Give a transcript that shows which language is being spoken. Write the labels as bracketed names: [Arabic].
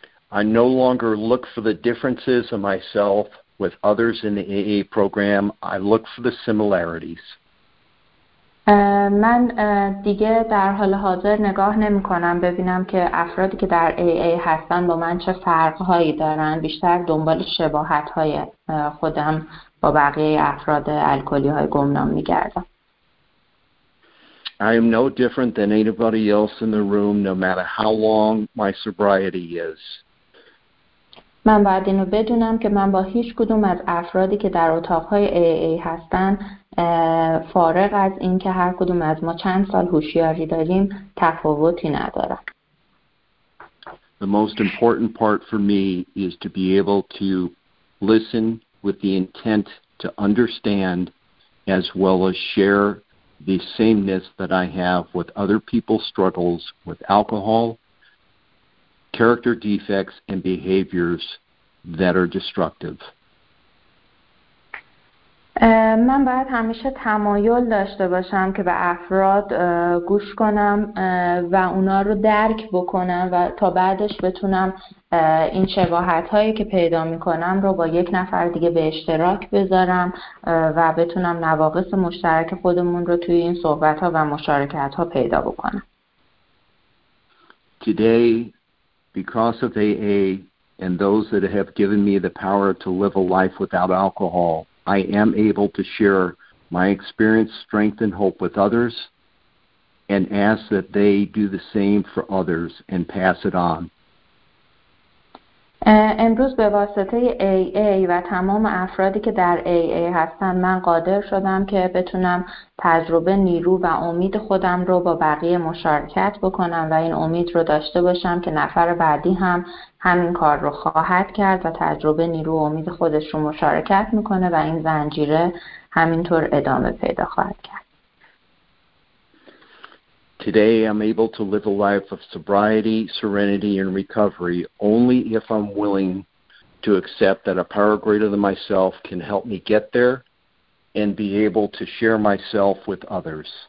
[English] I no longer look for the differences of myself with others in the AA program. I look for the similarities. [Persian] من دیگه در حال حاضر نگاه نمی کنم ببینم که افرادی که در AA هستن با من چه فرقهایی دارن. بیشتر دنبال شباهتهای خودم با بقیه افراد الکلی های گمنام می گردم. [English] I am no different than anybody else in the room, no matter how long my sobriety is. [Persian] من باید اینو بدونم که من با هیچ کدوم از افرادی که در اتاقهای AA هستن فارغ از این که هر کدوم از ما چند سال هوشیاری داریم تفاوتی ندارم. [English] The most important part for me is to be able to listen with the intent to understand as well as share the sameness that I have with other people's struggles with alcohol, character defects and behaviors that are destructive. [Persian] من باید همیشه تمایل داشته باشم که به افراد گوش کنم و اونا رو درک بکنم و تا بعدش بتونم این شباهت‌هایی که پیدا می‌کنم رو با یک نفر دیگه به اشتراک بذارم و بتونم نواقص مشترک خودمون رو توی این صحبت‌ها و مشارکت‌ها پیدا بکنم. [English] Today, because of AA and those that have given me the power to live a life without alcohol, I am able to share my experience, strength, and hope with others and ask that they do the same for others and pass it on. [Persian] امروز به واسطه AA و تمام افرادی که در AA هستن من قادر شدم که بتونم تجربه نیرو و امید خودم رو با بقیه مشارکت بکنم و این امید رو داشته باشم که نفر بعدی هم همین کار رو خواهد کرد و تجربه نیرو و امید خودش رو مشارکت میکنه و این زنجیره همینطور ادامه پیدا خواهد کرد. [English] Today I'm able to live a life of sobriety, serenity, and recovery only if I'm willing to accept that a power greater than myself can help me get there and be able to share myself with others.